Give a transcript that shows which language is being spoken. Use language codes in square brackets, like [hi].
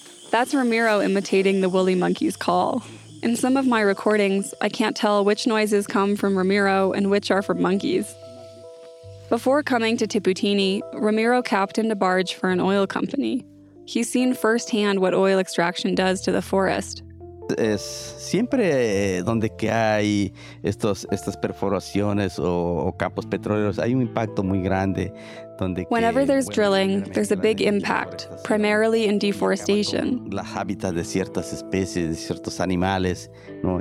[en] That's Ramiro imitating the woolly monkey's call. In some of my recordings, I can't tell which noises come from Ramiro and which are from monkeys. Before coming to Tiputini, Ramiro captained a barge for an oil company. He's seen firsthand what oil extraction does to the forest. [es] Es siempre donde que hay estas perforaciones o campos petroleros, hay un impacto muy grande. [en] Whenever there's drilling, there's a big impact, primarily in deforestation. [es] Las hábitats de ciertas especies, de ciertos animales, ¿no?